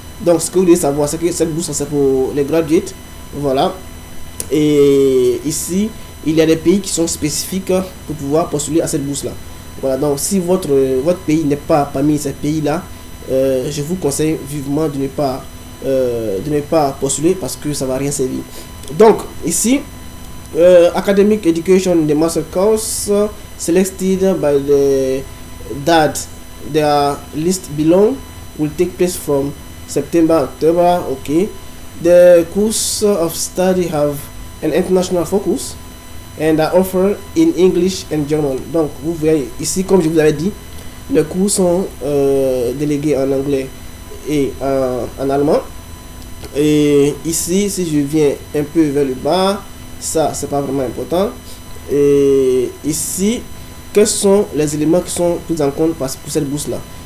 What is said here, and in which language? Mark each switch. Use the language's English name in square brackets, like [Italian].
[French] Donc ce que vous devez savoir, c'est que cette bourse, c'est pour les graduates. Voilà, et ici il y a des pays qui sont spécifiques pour pouvoir postuler à cette bourse là. Voilà, donc si votre pays n'est pas parmi ces pays-là, je vous conseille vivement de ne pas postuler parce que ça va rien servir. Donc ici, [English] Academic Education the Master Course selected by the date the list below will take place from September-October. Ok, the course of study have an international focus and are offered in English and German. [French] Donc, vous voyez ici, comme je vous avais dit, les cours sont délégués en anglais et en allemand. Et ici, si je viens un peu vers le bas, ça, c'est pas vraiment important. Et ici, quels sont les éléments qui sont pris en compte pour cette bourse-là?